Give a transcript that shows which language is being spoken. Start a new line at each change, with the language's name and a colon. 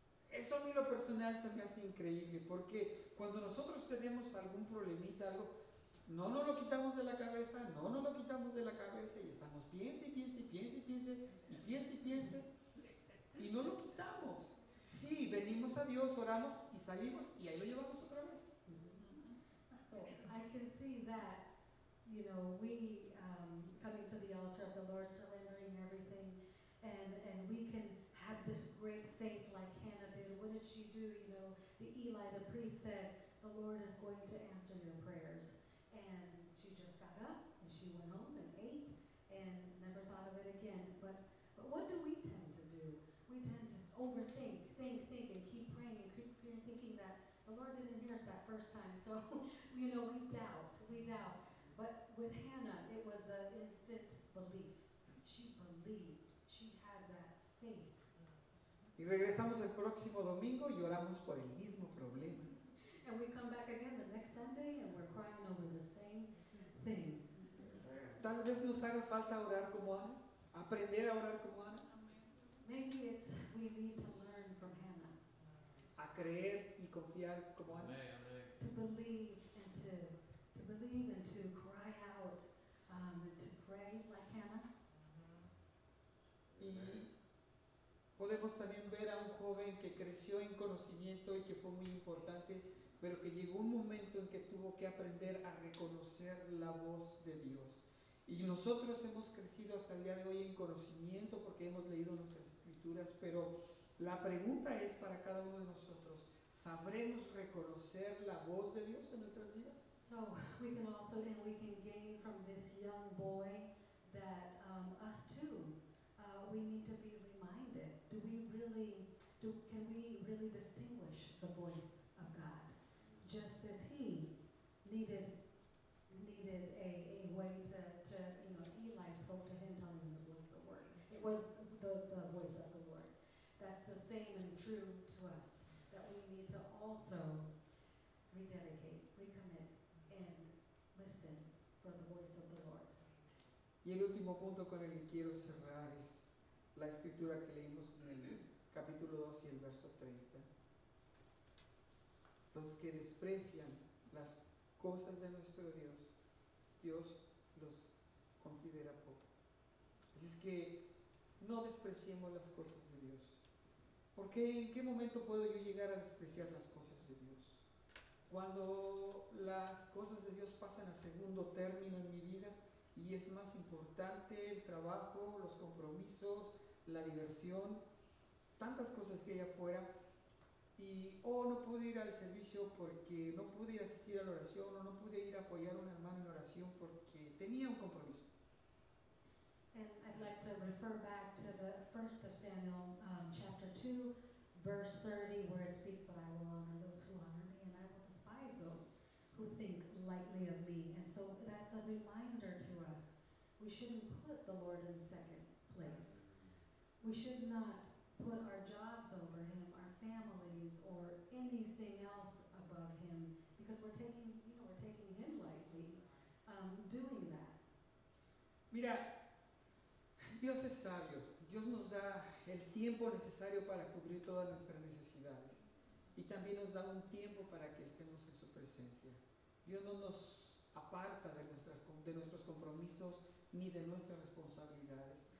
Spanish: Eso a mí lo personal se me hace increíble, porque cuando nosotros tenemos algún problemita, algo, no nos lo quitamos de la cabeza, no nos lo quitamos de la cabeza, y estamos piense y piense, y no lo quitamos. Sí, venimos a Dios, oramos y salimos, y ahí lo llevamos otra vez.
English: So, I can see that, you know, we coming to the altar of the Lord, surrendering everything, and we can have this great faith like Hannah did. What did she do? You know, the Eli, the priest, said, the Lord is going to answer your prayers. And she just got up and she went home and ate and never thought of it again. But what do we tend to do? We tend to overthink, think, and keep praying and keep thinking that the Lord didn't hear us that first time. So, you know, we doubt. But with Hannah, it was the instant belief. She believed. She had that faith.
Spanish: Y regresamos el próximo domingo y oramos por el mismo problema.
English: And we come back again the next Sunday and we're crying over the same thing.
Spanish: Tal vez nos haga falta orar como Ana, aprender a orar como Ana.
English: Maybe it's we need to learn from Hannah.
Spanish: A creer y confiar como Ana.
English: To believe and to cry out, to pray like Hannah.
Spanish: Y podemos también ver a un joven que creció en conocimiento y que fue muy importante, pero que llegó un momento en que tuvo que aprender a reconocer la voz de Dios. Y nosotros hemos crecido hasta el día de hoy en conocimiento porque hemos leído nuestras escrituras, pero la pregunta es para cada uno de nosotros, ¿sabremos reconocer la voz de Dios en nuestras vidas?
English: So, we can also, and we can gain from this young boy that us too, we need to be reminded. Can we really distinguish the voice of God? Just as he needed a way to, you know, Eli spoke to him, telling him it was the word. It was the voice of the Lord. That's the same and true to us, that we need to also rededicate, recommit, and listen for the voice of the Lord.
Spanish: Y el último punto con el que quiero cerrar es la escritura que leímos en el capítulo 2 y el verso 30. Los que desprecian las cosas de nuestro Dios, Dios los considera poco. Así es que no despreciemos las cosas de Dios. Porque ¿en qué momento puedo yo llegar a despreciar las cosas de Dios? Cuando las cosas de Dios pasan a segundo término en mi vida y es más importante el trabajo, los compromisos, la diversión, tantas cosas que hay afuera, y no pude ir al servicio porque no pude ir a asistir a la oración, o no pude ir a apoyar a un hermano en oración porque tenía un compromiso.
English: And I'd like to refer back to the first of Samuel chapter 2 verse 30, where it speaks, but I will honor those who honor me, and I will despise those who think lightly of me. And so that's a reminder to us. We shouldn't put the Lord in second place. We should not put our jobs over him, our families, or anything else above him, because we're taking, you know, we're taking him lightly doing that.
Spanish: Mira, Dios es sabio. Dios nos da el tiempo necesario para cubrir todas nuestras necesidades. Y también nos da un tiempo para que estemos en su presencia. Dios no nos aparta de nuestros compromisos ni de nuestras responsabilidades.